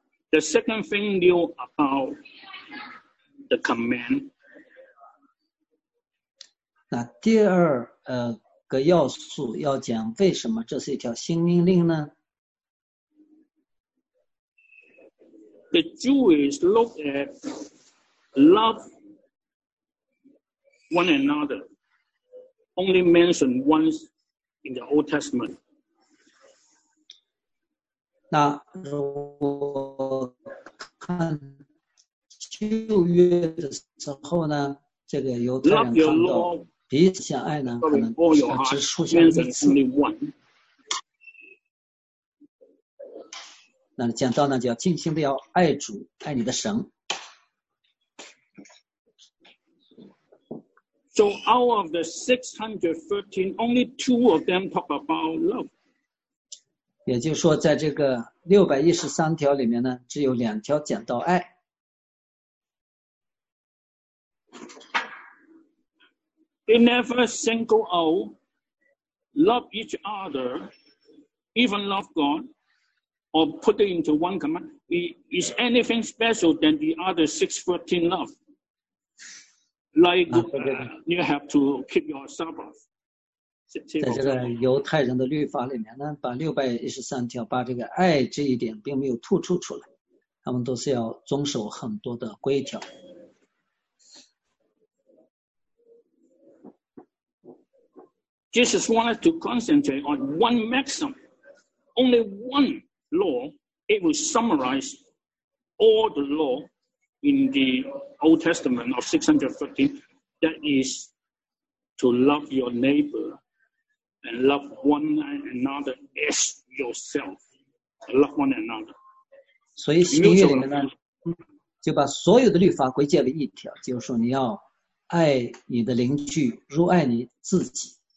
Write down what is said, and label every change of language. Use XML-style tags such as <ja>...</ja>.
<en>The second thing new about the command.</en> <zh>那第二个要素要讲为什么这是一条新命令呢？</zh> <en>The Jews look at love one another, only mentioned once in the Old Testament.</en> <zh>那如果看旧约的时候呢，这个犹太人看到彼此相爱呢，可能只出现一次。那讲到呢，就要尽心的要爱主，爱你的神。</zh> <en>So out of the 613, only two of them talk about love.</en> <zh>也就是说，在这个613条里面呢，只有两条讲到爱。</zh> <en>They never single out love each other, even love God. Or put it into one command, is anything special than the other 613 love? Like, you have to keep your Sabbath.</en> <zh>在这个犹太人的律法里面呢，把613条，把这个爱这一点并没有突出出来，他们都是要遵守很多的规条。</zh> <en>Jesus wanted to concentrate on one maxim, only one. Law, it will summarize all the law in the Old Testament of 613. That is to love your neighbor and love one another as yourself. Love one another.</en> <zh>所以新约里面呢，就把所有的律法归结为一条，就是说你要爱你的邻居如爱你自己。</zh>